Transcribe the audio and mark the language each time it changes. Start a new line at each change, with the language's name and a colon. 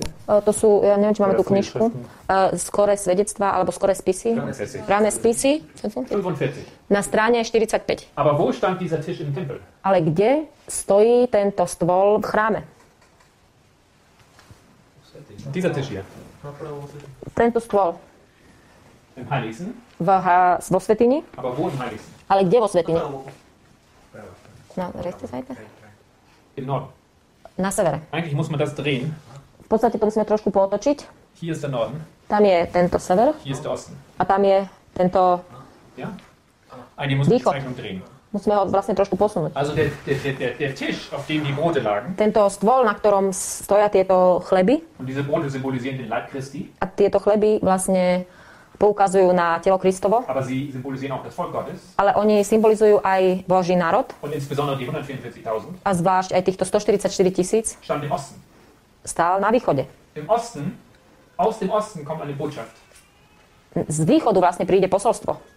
Slovak: To sú, ja neviem, či máme tú knižku. Skoré svedectvá, alebo skoré spisy. Rané spisy. 45. Na strane 45.
German: Aber wo stand dieser Tisch im Tempel?
Slovak: Ale kde stojí tento stôl v chráme?
German: Dieser Tisch hier.
Slovak: Tento stôl.
German: Im Heiligsten?
Slovak: Vo Svetini.
German: Aber wo im Heiligsten?
Slovak: Ale kde vo Svetini? Na
German: rechte Seite? Im Norden.
Slovak: Na severe.
German: Eigentlich muss man das drehen.
Slovak: V podstate to musíme trošku pootočiť.
German: Hier ist der Norden.
Slovak: Tam je tento sever.
German: Hier ist der Osten.
Slovak: A tam je tento východ. Musíme ho vlastne trošku posunúť.
German: Also der Tisch, auf dem die Brote lagen.
Slovak: Tento stôl, na ktorom stoja tieto chleby.
German: Und diese Brote symbolisieren den Leib Christi.
Slovak: A tieto chleby vlastne poukazujú na telo Kristovo.
German: Aber sie symbolisieren auch das Volk Gottes.
Slovak: Ale oni symbolizujú aj Boží národ.
German: Und insbesondere die 144.000.
Slovak: A zvlášť aj týchto 144 tisíc.
German: Stand im Osten.
Slovak: Stál na východe.
German: Im Osten, aus dem Osten kommt eine Botschaft.
Slovak: Z východu vlastne príde posolstvo.